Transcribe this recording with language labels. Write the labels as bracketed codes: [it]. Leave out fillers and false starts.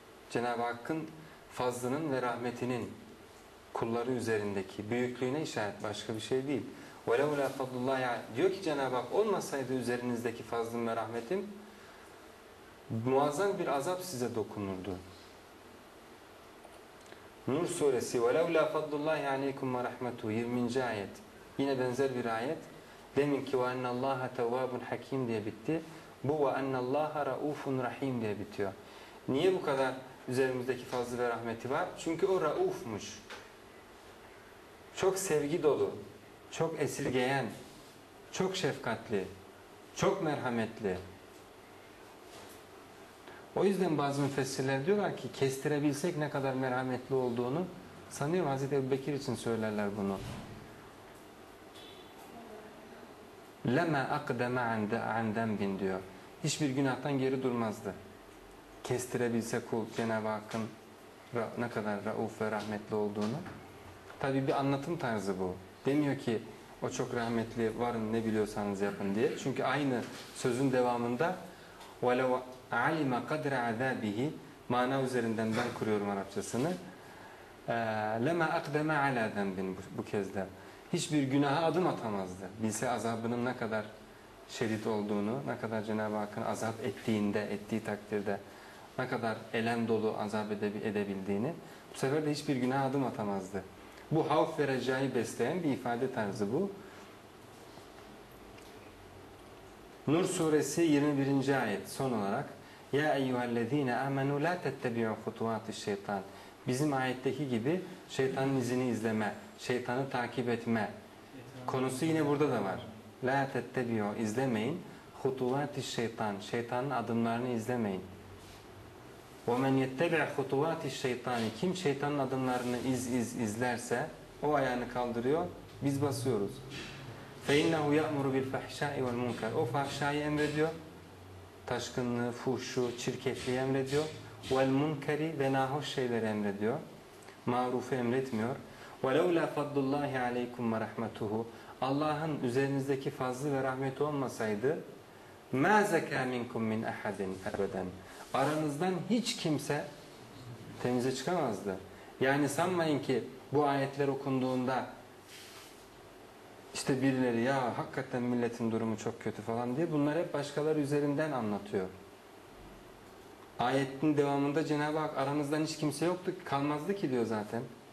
[tr] Cenab-ı Hakk'ın fazlının ve rahmetinin kulları üzerindeki büyüklüğüne işaret, başka bir şey değil. [ar] وَلَوْ لَا فَضْلُ اللّٰهِ [tr] diyor ki Cenab-ı Hak, olmasaydı üzerinizdeki fazlım ve rahmetim, muazzam bir azap size dokunurdu. Nur suresi [ar] وَلَوْ لَا فَضْلُ اللّٰهِ عَلَيْكُمْ وَرَحْمَتُهُ [tr] 20. ayet. Yine benzer bir ayet. Deminki [ar] وَاَنَّ اللّٰهَ تَوَّابٌ حَكِيمٌ [tr] diye bitti. Bu [ar] وَاَنَّ اللّٰهَ رَعُوفٌ رَحِيمٌ [tr] diye bitiyor. Niye bu kadar üzerimizdeki fazlı ve rahmeti var? Çünkü o raufmuş. Çok sevgi dolu, çok esirgeyen, çok şefkatli, çok merhametli. O yüzden bazı müfessirler diyorlar ki kestirebilsek ne kadar merhametli olduğunu, sanıyorum Hazreti Ebubekir için söylerler bunu. [ar] Lema akdama an zenbin [tr] diyor. Hiçbir günahtan geri durmazdı. Kestirebilse kul Cenab-ı Hakk'ın ne kadar rauf ve rahmetli olduğunu. Tabi bir anlatım tarzı bu. Demiyor ki o çok rahmetli, varın ne biliyorsanız yapın diye. Çünkü aynı sözün devamında [ar] وَلَوَ عَلِمَ قَدْرَ عَذَابِهِ [tr] mana üzerinden ben kuruyorum Arapçasını. [ar] لَمَا اَقْدَمَ عَلَى ذَنْبٍ [tr] bu kez de. Hiçbir günaha adım atamazdı. Bilse azabının ne kadar şerit olduğunu, ne kadar Cenab-ı Hakk'ın azap ettiğinde, ettiği takdirde ne kadar elem dolu azap edebildiğini, bu sefer de hiçbir günah adım atamazdı. Bu havf ve recai besleyen bir ifade tarzı bu. Nur suresi 21. ayet son olarak [ar] يَا اَيُّهَا الَّذ۪ينَ اَمَنُوا لَا تَتَّبِعُوا خُطُوَاتِ الشَّيْطَانِ [tr] bizim ayetteki gibi şeytanın izini izleme, şeytanı takip etme konusu yine burada da var. [ar] لَا تَتَّبِعُوا [tr] izlemeyin [ar] خُطُوَاتِ الشَّيْطَانِ [tr] şeytanın adımlarını izlemeyin. [ar] وَمَنْ يَتَّبِعْ خُطُوَاتِ الشَّيْطَانِ [tr] kim şeytanın adımlarını izlerse o ayağını kaldırıyor, biz basıyoruz. [ar] فَاِنَّهُ يَأْمُرُ بِالْفَحْشَاءِ وَالْمُنْكَرِ [tr] o fahşayı emrediyor, taşkınlığı, fuhşu, çirkefliği emrediyor. [ar] وَالْمُنْكَرِ [tr] ve nahoş şeyleri emrediyor, marufu emretmiyor. [ar] وَلَوْ لَا فَضْلُ اللّٰهِ عَلَيْكُمْ وَرَحْمَتُهُ [tr] Allah'ın üzerinizdeki fazlı ve rahmeti olmasaydı [ar] مَا زَكَى مِنْكُمْ مِنْ أَحَدٍ أَبَدًا [tr] aranızdan hiç kimse temize çıkamazdı. Yani sanmayın ki bu ayetler okunduğunda işte birileri ya hakikaten milletin durumu çok kötü falan diye bunları hep başkaları üzerinden anlatıyor. Ayetin devamında Cenab-ı Hak aranızdan hiç kimse yoktu, kalmazdı ki diyor zaten.